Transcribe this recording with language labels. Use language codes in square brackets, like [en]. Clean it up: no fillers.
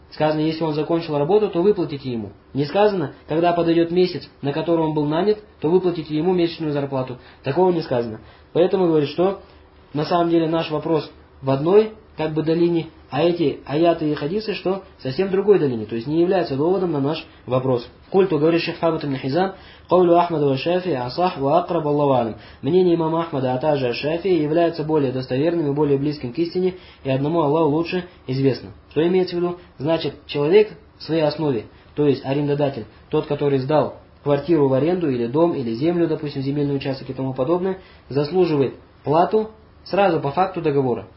[ru] Сказано, если он закончил работу, то выплатите ему. Не сказано, когда подойдет месяц, на котором он был нанят, то выплатите ему месячную зарплату. Такого не сказано. Поэтому говорит, что на самом деле наш вопрос в одной как бы долине, а эти аяты и хадисы, что совсем другой долине. То есть не являются доводом на наш вопрос. Культу говорит шейх Хабат ибн Хизам, [ar] قولوا أحمد والشافعي أصح وأقرب الله أعلم. [ru] Мнение имама Ахмада, а также Шафии, является более достоверным и более близким к истине, и одному Аллаху лучше известно. Что имеется в виду? Значит, человек в своей основе, то есть арендодатель, тот, который сдал квартиру в аренду, или дом, или землю, допустим, земельный участок и тому подобное, заслуживает плату сразу по факту договора.